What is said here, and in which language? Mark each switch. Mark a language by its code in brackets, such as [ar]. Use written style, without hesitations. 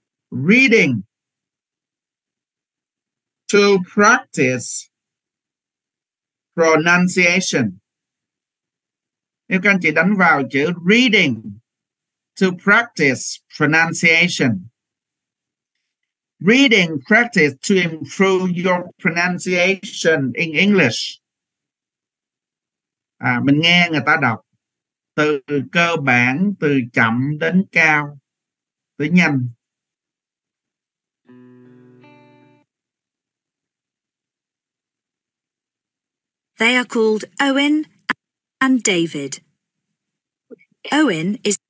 [en] Reading to practice pronunciation. [vi] Nếu các anh chị đánh vào chữ [en] reading to practice pronunciation. Reading practice to improve your pronunciation in English. [vi] À, mình nghe người ta đọc từ cơ bản, từ chậm đến cao, từ nhanh. [en] They are called Owen and David. Owen is...